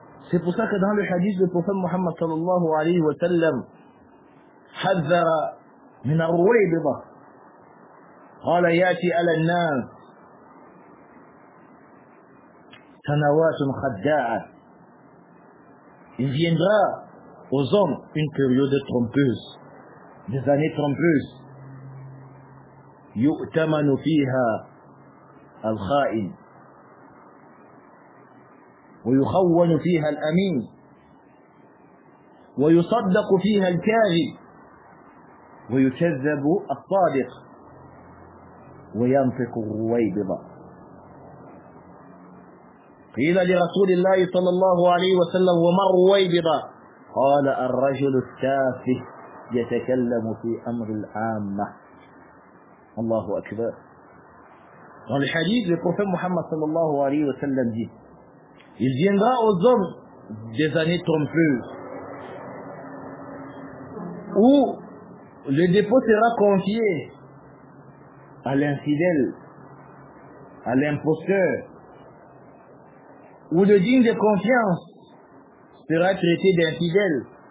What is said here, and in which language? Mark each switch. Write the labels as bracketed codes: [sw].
[fr] C'est pour ça que dans le hadith du prophète Muhammad sallallahu alayhi wa sallam, [ar] حذّرَ من الرويبضة قال يأتي على الناس سنوات خداعة. [fr] Il viendra aux hommes une période trompeuse, des années trompeuses. [ar] يؤتمن فيها الخائن ويخون فيها الأمين ويصدق فيها الكاذب ويكذب الصادق وينطق الرويبضة. قيل لرسول الله صلى الله عليه وسلم وما الرويبضة؟ قال الرجل التافه يتكلم في أمر العامة. Allahu Akbar. [fr] Dans le hadith, le prophète Muhammad sallallahu alayhi wa sallam dit, il viendra aux hommes des années trompeuses où le dépôt sera confié à l'infidèle, à l'imposteur, où le digne de confiance sera traité d'infidèle,